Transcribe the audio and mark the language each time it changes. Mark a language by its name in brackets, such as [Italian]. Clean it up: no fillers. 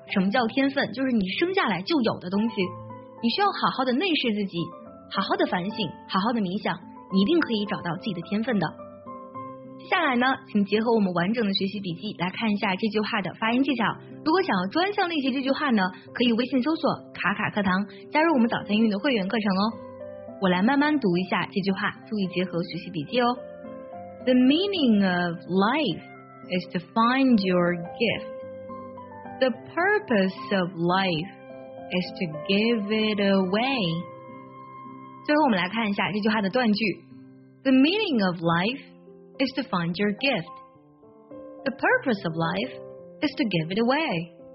[Chinese] 什么叫天分？就是你生下来就有的东西。你需要好好的内视自己，好好的反省，好好的冥想，你一定可以找到自己的天分的。接下来呢，请结合我们完整的学习笔记来看一下这句话的发音技巧。如果想要专项练习这句话呢，可以微信搜索卡卡课堂，加入我们早餐英语的会员课程哦。我来慢慢读一下这句话，注意结合学习笔记哦。 [English] The meaning of life is to find your gift. The purpose of life is to give it away. [Chinese] 最后我们来看一下这句话的断句。 [English] The meaning of life is to find your gift. The purpose of life is to give it away.